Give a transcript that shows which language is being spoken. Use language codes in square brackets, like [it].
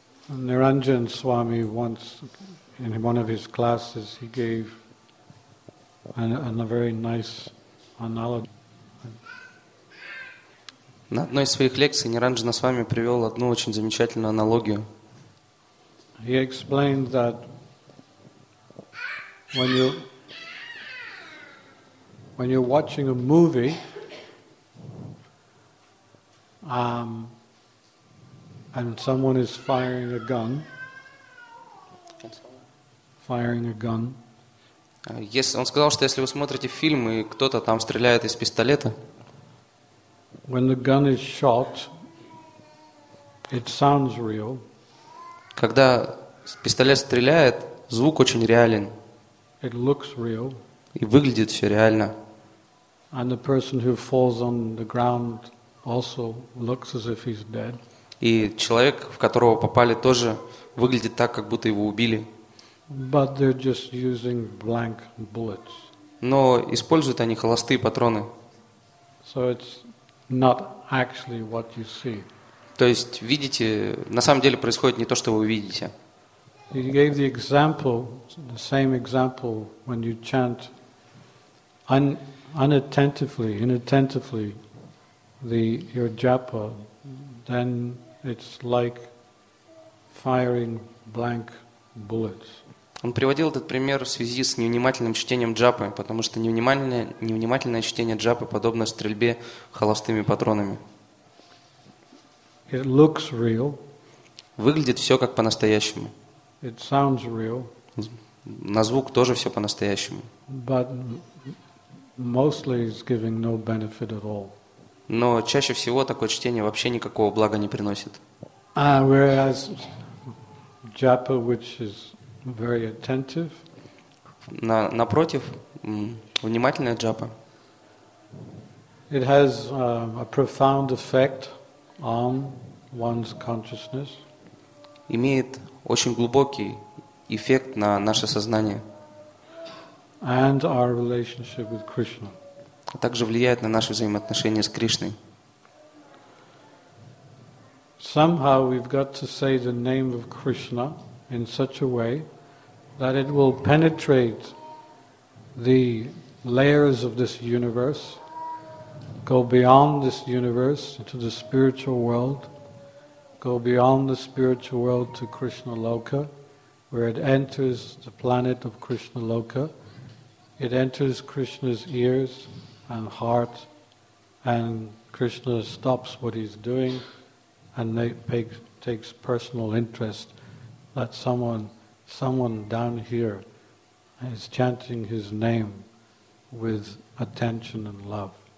[en] Niranjan Swami once in one of his classes he gave a very nice analogy. [ru] На одной из своих лекций Ниранджана Свами привел одну очень замечательную аналогию. [en] He explained that when you're watching a movie, and someone is firing a gun. [ru] Он сказал, что если вы смотрите фильм и кто-то там стреляет из пистолета. [en] When the gun is shot, it sounds real. [ru] Когда пистолет стреляет, звук очень реален. [en] It looks real. [ru] И выглядит все реально. [en] And the person who falls on the ground also looks as if he's dead. [ru] И человек, в которого попали, тоже выглядит так, как будто его убили. [en] But they're just using blank bullets. [ru] Но используют они холостые патроны. [en] So it's not actually what you see. [ru] То есть видите, на самом деле происходит не то, что вы видите. [en] He gave the example, the same example, when you chant inattentively, your japa, then it's like firing blank bullets. [ru] Он приводил этот пример в связи с невнимательным чтением джапы, потому что невнимательное чтение джапы подобно стрельбе холостыми патронами. [en] It looks real. [ru] Выглядит все как по-настоящему. [en] It sounds real. [ru] На звук тоже все по-настоящему. [en] But mostly it's giving no benefit at all. [ru] Но чаще всего такое чтение вообще никакого блага не приносит. [en] Whereas japa, which is very attentive. [ru] Напротив, внимательная джапа. [en] It has a profound effect on one's consciousness. [ru] Имеет очень глубокий эффект на наше сознание. [en] And our relationship with Krishna. [ru] А также влияет на наши взаимоотношения с Кришной. [en] Somehow we've got to say the name of Krishna in such a way that it will penetrate the layers of this universe, go beyond this universe into the spiritual world, go beyond the spiritual world to Krishna Loka, where it enters the planet of Krishna Loka, it enters Krishna's ears and heart, and Krishna stops what he's doing and takes personal interest that someone down here is chanting his name with attention and love.